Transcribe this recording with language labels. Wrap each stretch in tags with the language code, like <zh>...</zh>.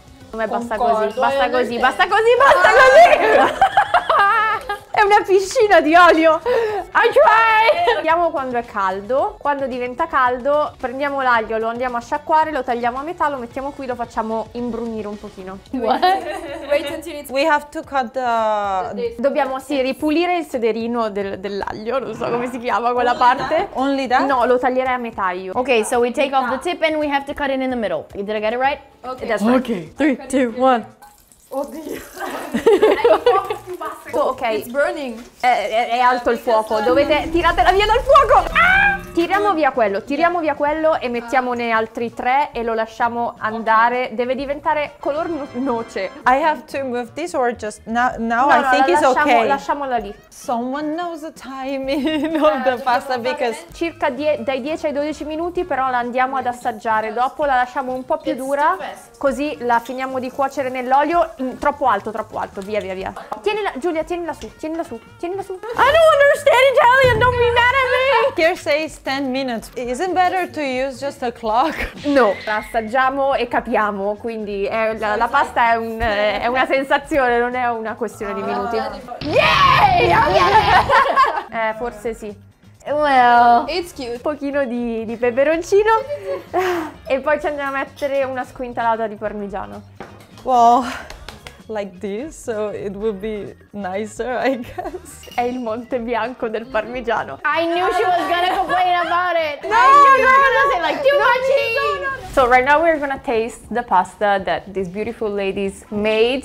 <it>Come basta così, basta così, basta così, basta così. È una piscina di olio.</it> <en>I try.</en> <it>Vediamo quando è caldo. Quando diventa caldo, prendiamo l'aglio, lo andiamo a sciacquare, lo tagliamo a metà, lo mettiamo qui, lo facciamo imbrunire un pochino.</it> <en>Wait until it's... We have to cut the...</en> <it>Dobbiamo, sì, ripulire il sederino dell'aglio. Non so come si chiama quella parte.</it> <en>Only that?</en> <it>No, lo taglierei a metà io.</it> <en>Ok, so we take off the tip and we have to cut it in the middle. Did I get it right? Okay. That's right. Ok, 3, 2, 1.</en> <it>Oddio.</it> <en>Oh, ok, it's burning.</en> <it>È alto il fuoco. Dovete tiratela via dal fuoco. Tiriamo via quello, tiriamo via quello e mettiamone altri tre e lo lasciamo andare. Okay. Deve diventare color noce.</it> <en>I have to move this or just now no, I think it's okay.</en> <it>Lasciamola lì.</it> <en>Someone knows the timing of the pasta because</en> <it>circa dai 10 ai 12 minuti, però la andiamo ad assaggiare. Dopo la lasciamo un po' più dura, così la finiamo di cuocere nell'olio. Troppo alto, via via via. Tienila, Giulia, tienila su, tienila su, tienila su.</it> <en>I don't understand Italian, don't be mad at me. Here says 10 minutes. Isn't better to use just a clock?</en> <it>No, assaggiamo e capiamo, quindi è la pasta è una sensazione, non è una questione di minuti. Yay! Yeah! Forse sì.</it> <en>Well, it's cute.</en> <it>Un pochino di peperoncino. E poi ci andiamo a mettere una squintalata di parmigiano. Wow.</it> <en>Like this, so it would be nicer, I guess.</en> <it>È il Monte Bianco del parmigiano.</it> <en>I knew she was gonna complain about it. No, So right now we're gonna taste the pasta that these beautiful ladies made.</en>